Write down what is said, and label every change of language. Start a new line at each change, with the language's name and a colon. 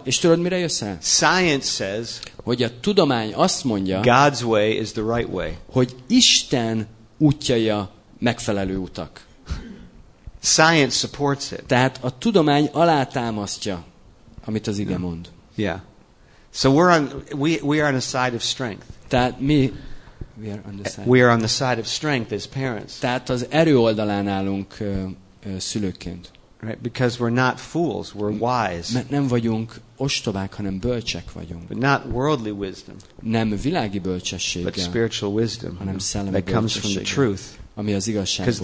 Hungarian: És tudod, mire jössz el?
English: Science says,
Hungarian: hogy a tudomány azt mondja,
English: God's way is the right way.
Hungarian: Hogy Isten útjai a megfelelő utak.
English: Science supports it.
Hungarian: Tehát a tudomány alátámasztja, amit az ige mond.
English: Yeah. So we are on the side of strength.
Hungarian: Tehát mi
English: we are on the side of strength as parents.
Hungarian: Tehát az erő oldalán állunk szülőként.
English: Right, because we're not fools, we're wise.
Hungarian: Mert nem vagyunk ostobák, hanem bölcsek vagyunk.
English: But not worldly wisdom.
Hungarian: Nem világi bölcsességgel.
English: But spiritual wisdom.
Hungarian: Hanem szellemi
English: that comes from the truth.
Hungarian: Ami az igazságból jön.